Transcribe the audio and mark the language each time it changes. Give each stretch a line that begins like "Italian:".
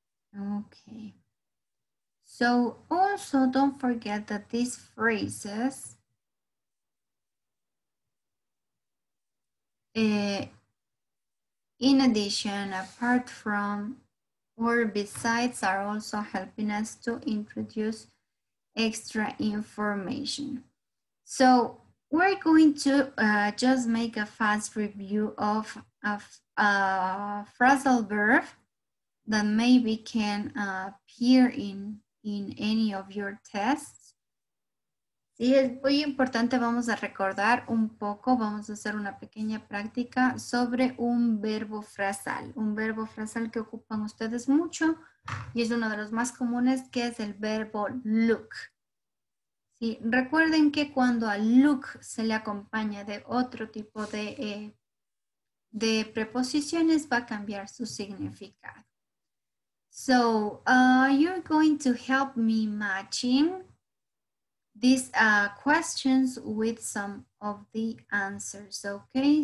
English: Okay, so also don't forget that these phrases in addition, apart from, or besides are also helping us to introduce extra information. So we're going to just make a fast review of a phrasal verb that maybe can appear in any of your tests.
Spanish: Sí, es muy importante, vamos a recordar un poco, vamos a hacer una pequeña práctica sobre un verbo frasal que ocupan ustedes mucho y es uno de los más comunes, que es el verbo look. Sí, recuerden que cuando a look se le acompaña de otro tipo de preposiciones, va a cambiar su significado.
English: So, you're going to help me matching these questions with some of the answers, okay?